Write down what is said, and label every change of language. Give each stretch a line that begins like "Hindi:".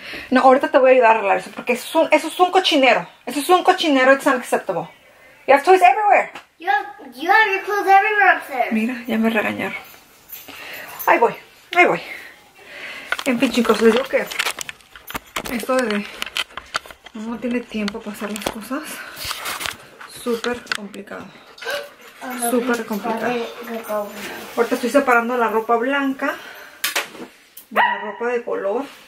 Spanish: No, ahorita te voy a ayudar a arreglar eso porque eso es un cochinero. Eso es un cochinero.
English: It's unacceptable. You have toys everywhere. You have your clothes everywhere upstairs.
Spanish: Mira, ya me regañaron. Ahí voy. En fin, chicos, les digo que esto de no tiene tiempo para hacer las cosas. Súper complicado. Súper complicado. Ahorita estoy separando la ropa blanca de la ropa de color.